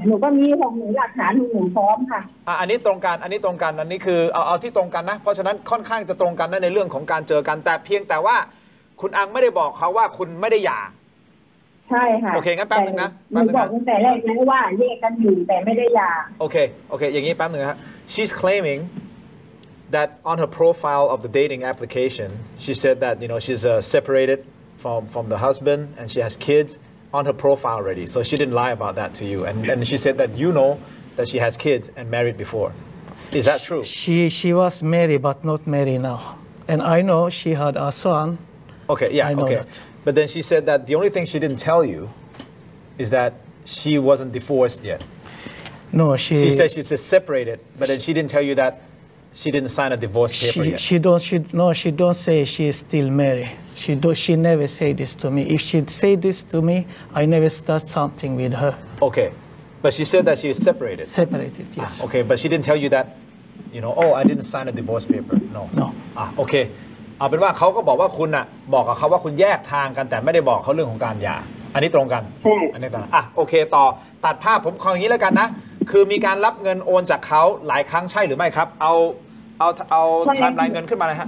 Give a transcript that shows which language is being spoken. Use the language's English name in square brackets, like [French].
[Thai] หนูก็มีของหนูหลักฐานหนูพร้อมค่ะ อันนี้ตรงกันอันนี้คือเอาที่ตรงกันนะเพราะฉะนั้นค่อนข้างจะตรงกันนะในเรื่องของการเจอกันแต่เพียงแต่ว่าคุณอังไม่ได้บอกเขาว่าคุณไม่ได้หย่า ใช่ค่ะ โอเคงั้นแป๊บนึงนะ แป๊บนึงครับบอกตั้งแต่แรกแล้วว่าเลิกกันอยู่แต่ไม่ได้หย่า โอเคอย่างงี้แป๊บนึงฮะ [English] She's claiming that on her profile of the dating application she said that you know she's separated from the husband and she has kids on her profile already so she didn't lie about that to you and she said that you know that she has kids and married before is that true she was married but not married now and I know she had a son okay yeah I know okay that. But then she said that the only thing she didn't tell you is that she wasn't divorced yet. No, she... She said she's separated, but then she didn't tell you that she didn't sign a divorce paper yet. She don't say she's still married. She never say this to me. If she'd say this to me, I never start something with her. Okay. But she said that she is separated. Separated, yes. Okay, but she didn't tell you that, you know, I didn't sign a divorce paper. No. No. Okay. [Thai] เอาเป็นว่าเขาก็บอกว่าคุณน่ะบอกกับเขาว่าคุณแยกทางกันแต่ไม่ได้บอกเขาเรื่องของการหย่าอันนี้ตรงกันอันนี้ต่างอ่ะโอเคต่อตัดภาพผมขออย่างนี้แล้วกันนะคือมีการรับเงินโอนจากเขาหลายครั้งใช่หรือไม่ครับเอาไทม์ไลน์เงินขึ้นมาเลยฮะ